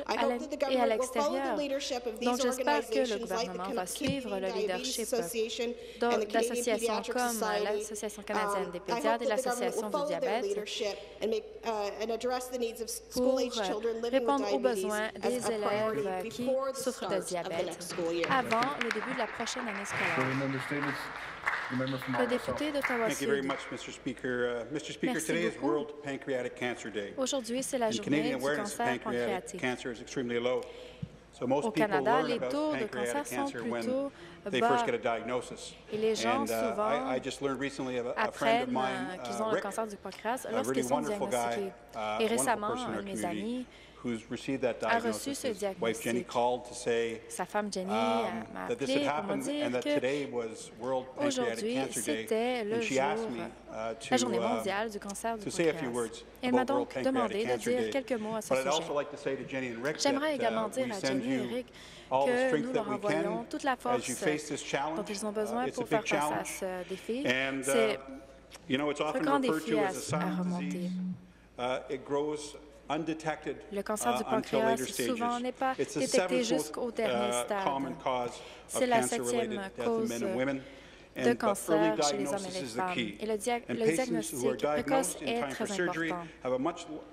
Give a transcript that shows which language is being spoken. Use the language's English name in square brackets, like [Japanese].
[English] I hope that the government will follow the leadership of these organizations like the Canadian Diabetes Association and the Canadian Pediatric Society. I hope that the government will follow their leadership and address the needs of school-age children living with diabetes as a priority before the start of the next school. [French] Avant le début de la prochaine année scolaire. Le député d'Ottawa Sud. [English] Thank you very much, Mr. Speaker. Mr. Speaker, today is World Pancreatic Cancer Day. [French] Aujourd'hui, c'est la journée du cancer pancréatique. [English] Canadian awareness of cancer is extremely low. So most Canada, people learn about pancreatic cancer when they first get a diagnosis. [French] Et les gens [English] and, [French] souvent [English] I just learned recently of a friend of mine, [French] qu'ils ont [English] Rick, [French] le cancer du pancréas lorsqu'ils sont diagnostiqués. Et récemment, un de mes amis [English] who's received that diagnosis. His wife Jenny called to say that this had happened and that today was World Pancreatic Cancer Day. And she asked me to say a few words about World Pancreatic Cancer Day. But I'd also like to say to Jenny and Rick that we send you all the strength that we can as you face this challenge. It's a big challenge. And, you know, it's often referred to as a silent disease. It grows undetected, [French] le cancer du pancréas souvent n'est pas détecté jusqu'au dernier stade. C'est la septième cause de cancer chez les hommes et les femmes. Et le diagnostic précoce est très important.